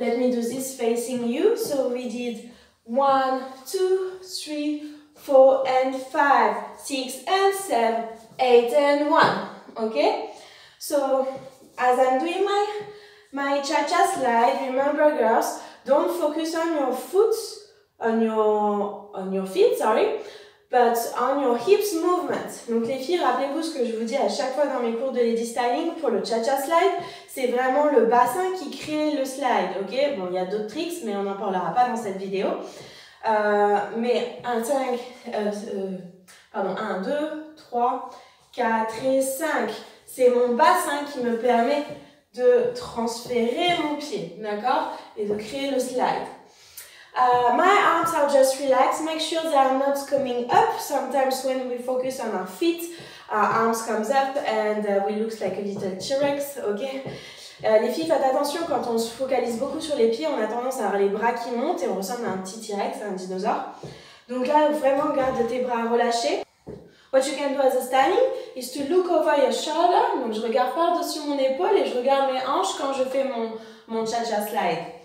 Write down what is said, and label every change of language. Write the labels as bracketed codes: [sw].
[en] Let me do this facing you. So we did 1, 2, 3, 4 and 5, 6 and 7, 8 and 1. Ok? So as I'm doing my cha-cha slide, remember girls, don't focus on your foot, on your feet, sorry. But on your hips movement. [fr] Donc les filles, rappelez-vous ce que je vous dis à chaque fois dans mes cours de lady styling pour le cha-cha slide, c'est vraiment le bassin qui crée le slide, ok? Bon, il y a d'autres tricks, mais on n'en parlera pas dans cette vidéo. Mais 1, 2, 3, 4 et 5, c'est mon bassin qui me permet de transférer mon pied, d'accord? Et de créer le slide. [en] My arms are just relaxed. Make sure they are not coming up. Sometimes when we focus on our feet, our arms comes up and we look like a little T-Rex, ok? [fr] Les filles, faites attention, quand on se focalise beaucoup sur les pieds, on a tendance à avoir les bras qui montent et on ressemble à un petit T-Rex, un dinosaure. Donc là, vraiment, garde tes bras relâchés. [en] What you can do as a standing is to look over your shoulder. [fr] Donc je regarde par-dessus mon épaule et je regarde mes hanches quand je fais mon cha-cha slide.